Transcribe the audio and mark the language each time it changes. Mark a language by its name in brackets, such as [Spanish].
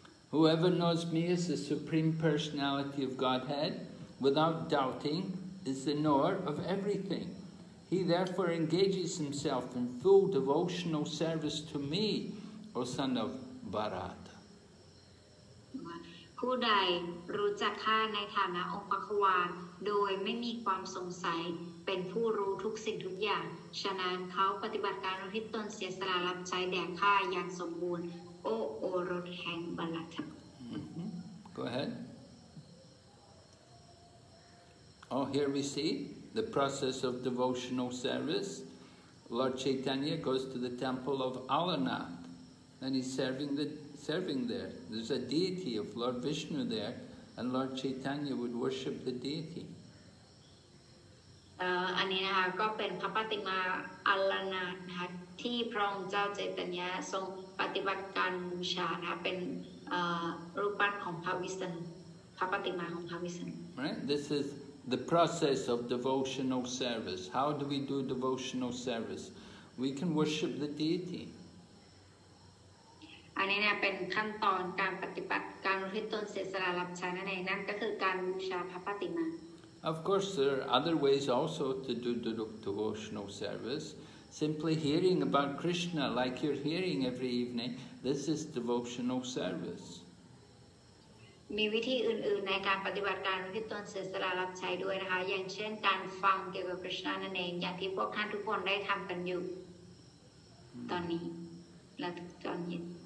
[English] Whoever knows me as the Supreme Personality of Godhead, without doubting, is the knower of everything. He therefore engages himself in full devotional service to me, O son of Bharata. [Thai] ผู้ใดรู้จักข้าในฐานะองค์พระควานโดยไม่มีความสงสัย เป็นผู้รู้ทุกสิ่งทุกอย่างฉะนั้นเขาปฏิบัติการอุทิศตนเสียสละรับใช้แด่ข้าอย่างสมบูรณ์โอโอรสแห่งบัลลัทธ์ [English] Go ahead. Oh, here we see the process of devotional service. Lord Chaitanya goes to the temple of Alarnath and he's serving there. There's a deity of Lord Vishnu there and Lord Chaitanya would worship the deity. [Thai] อันนี้นะคะก็เป็นพระปฏิมาอลนาถนะคะที่พระองค์เจ้าเจตัญญาทรงปฏิบัติการบูชานะเป็นรูปปั้นของพระวิษณุพระปฏิมาของพระวิษณุ [English] Right, this is the process of devotional service. How do we do devotional service? We can worship the deity. [Thai] อันนี้เนี่ยเป็นขั้นตอนการปฏิบัติการรู้ให้ตนเสียสละรับใช้นั่นเองนั่นก็คือการบูชาพระปฏิมา [English] Of course, there are other ways also to do devotional service. Simply hearing about Krishna, like you're hearing every evening, this is devotional service. [Thai] มีวิธีอื่นๆในการปฏิบัติการที่ตนเสียสละรับใช้ด้วยนะคะอย่างเช่นการฟังเกี่ยวกับ Krishna นั่นเองอย่างที่พวกท่านทุกคนได้ทำกันอยู่ตอนนี้และตอนเย็น